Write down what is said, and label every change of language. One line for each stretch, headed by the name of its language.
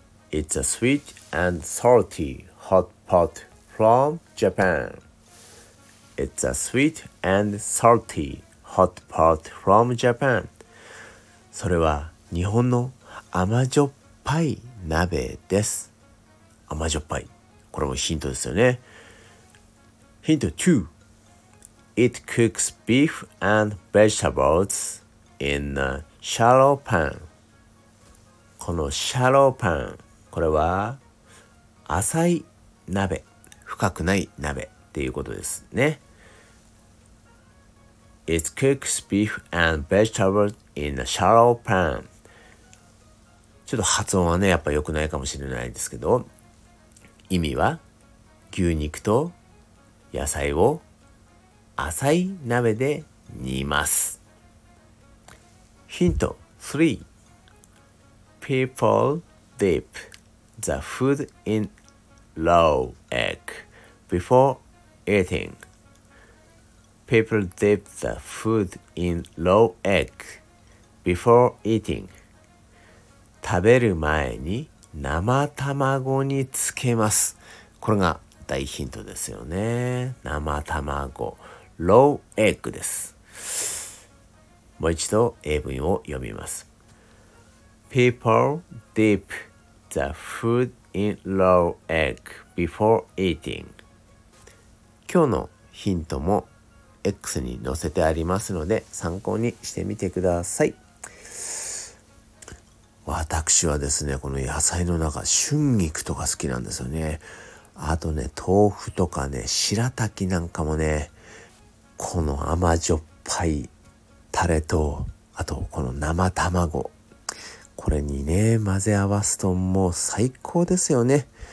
English: It's a sweet and salty hot pot from Japan. It's a sweet and salty hot pot from Japan.
Japanese: それは日本の甘じょっぱい鍋です。甘じょっぱい。これもヒントですよね。ヒント2。
English: It cooks beef and vegetables in a shallow pan.
Japanese: このシャローパン、これは浅い鍋、深くない鍋っていうことですね。
English: It cooks beef and vegetables in a shallow pan。
Japanese: ちょっと発音はね、やっぱ良くないかもしれないですけど、意味は牛肉と野菜を浅い鍋で煮ます。ヒント3。
English: People dip the food in raw egg before eating. People dip the food in raw egg before eating.
Japanese: 食べる前に生卵につけます。これが大ヒントですよね。生卵、 raw egg です。もう一度英文を読みます。
English: People dip the food in raw egg before eating.
Japanese: 今日のヒントも X に載せてありますので、参考にしてみてください。私はですね、この野菜の中、春菊とか好きなんですよね。あとね、豆腐とかね、白滝なんかもね、この甘じょっぱいタレと、あとこの生卵、これにね、混ぜ合わすともう最高ですよね。